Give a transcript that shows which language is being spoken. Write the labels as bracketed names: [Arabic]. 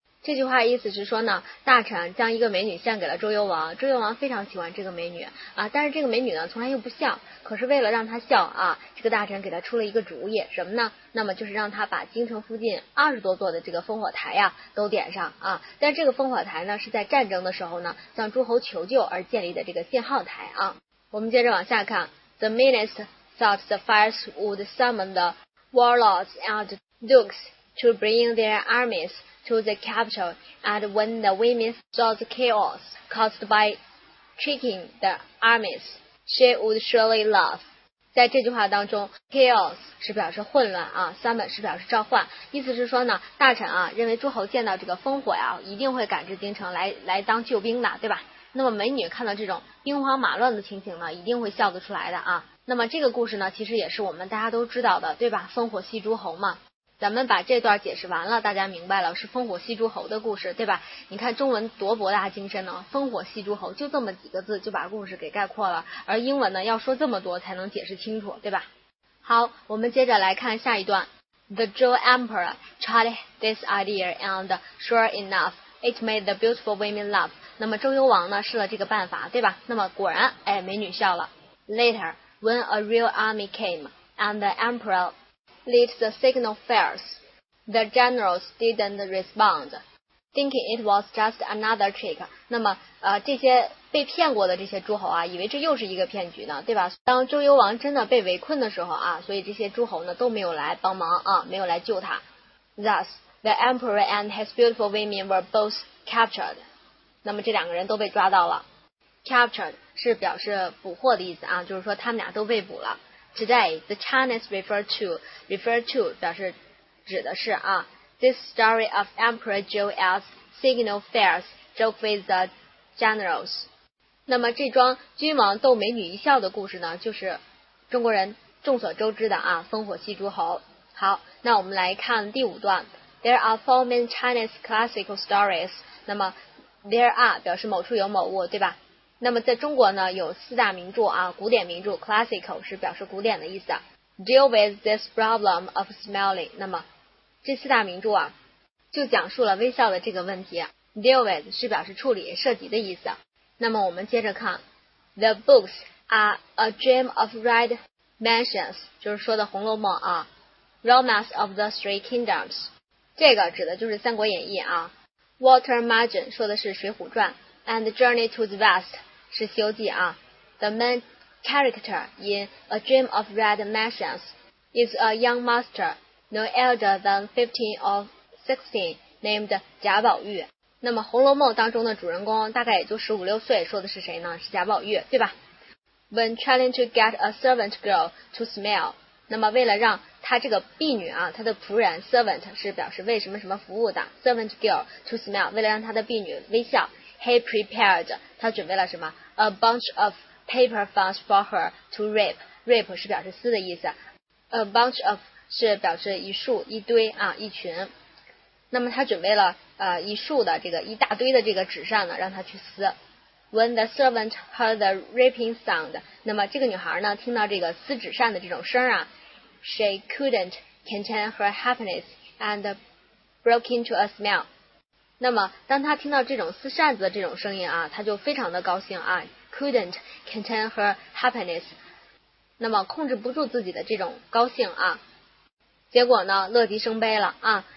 [Chinese] 这句话意思是说呢，大臣将一个美女献给了周幽王，周幽王非常喜欢这个美女啊，但是这个美女呢从来又不笑，可是为了让她笑啊，这个大臣给她出了一个主意，什么呢？那么就是让她把京城附近20多座的这个烽火台呀都点上啊。但这个烽火台呢是在战争的时候呢向诸侯求救而建立的这个信号台啊。我们接着往下看， [English] The menace thought the fires would summon the warlords and dukes to bring their armies to the capital, and when the women saw the chaos caused by tricking the armies, she would surely laugh. [Chinese] 在这句话当中， chaos 是表示混乱啊， summon 是表示召唤，意思是说呢，大臣啊认为诸侯见到这个烽火啊一定会赶至京城来当救兵的，对吧？那么美女看到这种兵荒马乱的情形呢一定会笑得出来的啊。那么这个故事呢其实也是我们大家都知道的，对吧？烽火戏诸侯嘛。咱们把这段解释完了，大家明白了是烽火戏诸侯的故事，对吧？你看中文多博大精深呢，烽火戏诸侯就这么几个字就把故事给概括了，而英文呢要说这么多才能解释清楚，对吧？好，我们接着来看下一段。 [English] The Zhou Emperor tried this idea and sure enough it made the beautiful women laugh. [Chinese] 那么周幽王呢试了这个办法，对吧？那么果然哎，美女笑了。 [English] Later when a real army came and the emperorLit the signal fires. The generals didn't respond, thinking it was just another trick. [Chinese] 那么这些被骗过的这些诸侯啊，以为这又是一个骗局呢，对吧？当周幽王真的被围困的时候啊，所以这些诸侯呢都没有来帮忙啊，没有来救他。 [English] Thus, the emperor and his beautiful women were both captured. [Chinese] 那么这两个人都被抓到了。 Captured 是表示捕获的意思啊，就是说他们俩都被捕了。 [English] Today, the Chinese refer to [Chinese] 表示指的是啊。 [English] This story of Emperor Zhou as signal fares joke with the generals. [Chinese] 那么这桩君王逗美女一笑的故事呢，就是中国人众所周知的啊，烽火戏诸侯。好，那我们来看第五段。 [English] There are 4 main Chinese classical stories. [Chinese] 那么 [English] there are [Chinese] 表示某处有某物，对吧？那么在中国呢有四大名著啊，古典名著 classical 是表示古典的意思， [English] deal with this problem of smiling. [Chinese] 那么这四大名著啊就讲述了微笑的这个问题， [English] deal with [Chinese] 是表示处理涉及的意思。那么我们接着看， [English] The books are a dream of red mansions， [Chinese] 就是说的红楼梦啊， [English] romance of the three kingdoms， [Chinese] 这个指的就是三国演义啊， [English] water margin [Chinese] 说的是水浒传， [English] And the journey to the west [Chinese] 是《西游记》啊。 [English] The main character in A Dream of Red Mansions is a young master, no elder than 15 or 16, named 贾宝玉。 [Chinese] 那么《红楼梦》当中的主人公大概也就15、16岁，说的是谁呢？是贾宝玉，对吧？ [English] When trying to get a servant girl to smile, [Chinese] 那么为了让他这个婢女啊，他的仆人 servant 是表示为什么什么服务的 [English] servant girl to smile, [Chinese] 为了让他的婢女微笑。 [English] He prepared, [Chinese] 他准备了什么？ [English] A bunch of paper fans for her to rip. [Chinese] Rip 是表示撕的意思。 [English] A bunch of [Chinese] 是表示一束、一堆啊、一群。那么他准备了一束的这个一大堆的这个纸扇呢，让他去撕。 [English] When the servant heard the ripping sound, [Chinese] 那么这个女孩呢，听到这个撕纸扇的这种声啊， [English] She couldn't contain her happiness and broke into a smile. [Chinese] 那么当他听到这种撕扇子的这种声音啊，他就非常的高兴啊， [English] couldn't contain her happiness， [Chinese] 那么控制不住自己的这种高兴啊，结果呢乐极生悲了啊。